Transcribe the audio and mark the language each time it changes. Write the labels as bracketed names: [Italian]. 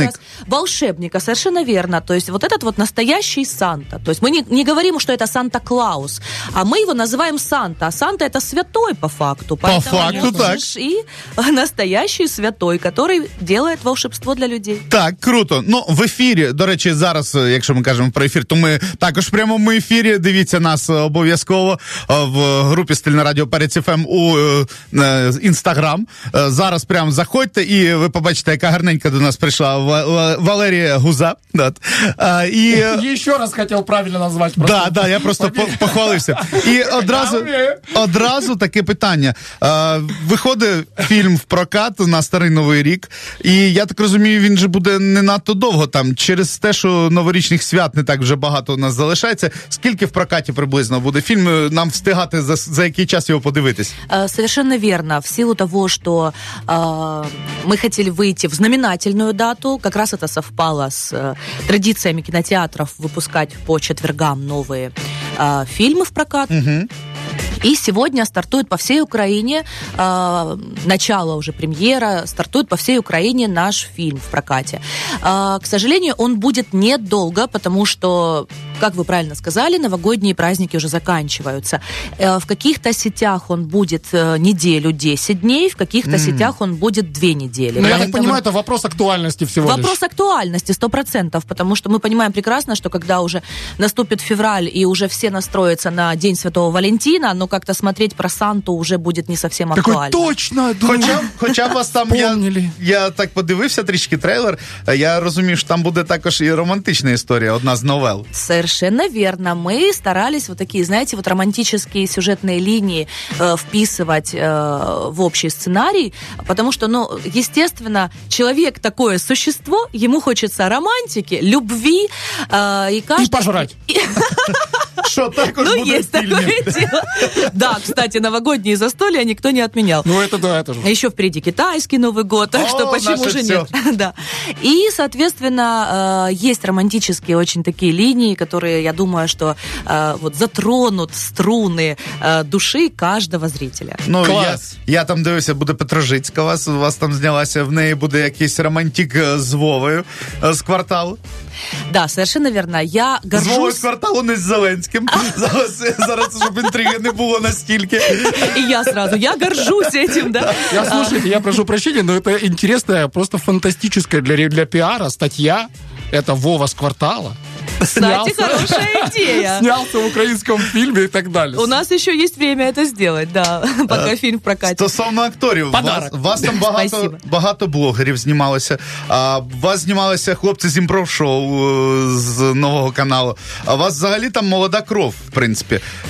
[Russian] Образ волшебника. Совершенно верно. То есть вот этот вот настоящий Санта. То есть мы не говорим, что это Санта-Клаус, а мы его называем Санта. А Санта это святой по факту. По факту так. И настоящий святой, который делает волшебство для людей. [Ukrainian] Так, круто. Ну, в ефірі, до речі, зараз, якщо ми кажемо про ефір, то ми також прямо в ефірі, дивіться нас обов'язково в групі «Стильне радіо Перець ФМ» у Інстаграм. Зараз прямо заходьте і ви побачите, яка гарненька до нас прийшла Валерія Гуза. [Russian] Еще раз хотел правильно назвать. Просто. Да, да, я просто [Ukrainian] похвалився. И одразу таке питання. Виходить фільм в прокат на старий новий рік, і я так розумію, він же буде не надто довго там, через те, що новорічних свят не так вже багато у нас залишається. Скільки в прокаті приблизно буде фільм, нам встигати за який час його подивитись? [Russian] Совершенно верно. В силу того, [Ukrainian] що ми хотіли вийти [Russian] в знаменательную дату, как раз это совпало с традициями кинотеатров выпускать по четвергам новые фильмы в прокат. Угу. И сегодня стартует по всей Украине, начало уже премьера, стартует по всей Украине наш фильм в прокате. К сожалению, он будет недолго, потому что, как вы правильно сказали, новогодние праздники уже заканчиваются. В каких-то сетях он будет неделю, 10 дней, в каких-то сетях он будет 2 недели. Но поэтому... я так понимаю, это вопрос актуальности всего лишь. Вопрос актуальности, 100%, потому что мы понимаем прекрасно, что когда уже наступит февраль и уже все настроятся на День Святого Валентина, но как-то смотреть про Санту уже будет не совсем актуально. Такой точно, думаю. [Ukrainian] Хоча вас там я так подивився трішки трейлер, я розумію, що там буде також і романтична історія, одна з новел. [Russian] Совершенно верно. Мы старались вот такие, знаете, вот романтические сюжетные линии вписывать в общий сценарий, потому что, ну, естественно, человек такое существо, ему хочется романтики, любви. И каждый... И пожрать. Что, так уж будет в фильме? Ну, есть такое дело. Да, кстати, новогодние застолья никто не отменял. Ну, это да, это же. Еще впереди китайский Новый год, так что почему же нет? Да. И, соответственно, есть романтические очень такие линии, которые, я думаю, что вот затронут струны души каждого зрителя. [Ukrainian] Ну, клас! Я там дивився, буде Петра Жицька, вас там знялася, в неї буде якийсь романтик з Вовою, з кварталу. [Russian] Да, совершенно верно. Я горжусь... [Ukrainian] З Вовою з кварталу, не з Зеленським. Зараз, щоб інтриги не було настільки. [Russian] І я сразу, я горжусь этим, да. Я слушаю, я прошу прощения, но это интересная, просто фантастическая для піара статья. Это Вова з квартала. Кстати, хорошая идея. Снялся в украинском фильме и так далее. У нас еще есть время это сделать, да, пока фильм прокатит. [Ukrainian] Стосовно акторів. Вас там багато блогерів знімалося. Вас знімалися хлопці з імпров-шоу з нового каналу. А вас взагалі там молода кров, в принципі.